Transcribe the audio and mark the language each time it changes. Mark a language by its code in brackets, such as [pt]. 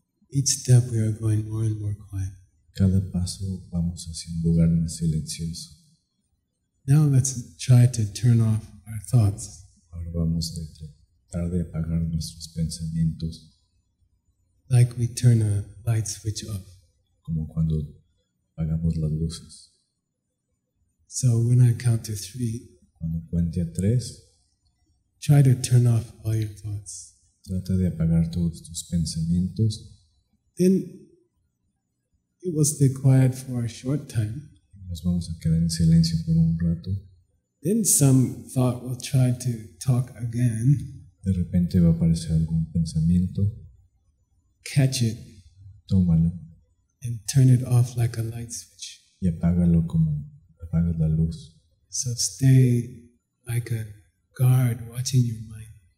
[en] Each step we are going more and more quiet. [es] Cada paso vamos hacia un lugar más silencioso. [en] Now let's try to turn off our thoughts. [es] Ahora vamos a tratar de apagar nuestros pensamientos. [en] Like we turn a light switch off. [es] Como cuando apagamos las luces. [en] So when I count to three. [es] Cuando cuente a tres. [en] Try to turn off all your thoughts. [es] Trata de apagar todos tus pensamientos. [en] Then it will stay quiet for a short time. [es] Nos vamos a quedar en silencio por un rato. [en] Then some thought will try to talk again. [es] De repente va a aparecer algún pensamiento. [en] Catch it. [es] Tómalo. [en] And turn it off like a light switch. [es] Y apágalo como apagas la luz. [en] So stay like a guard watching your mind.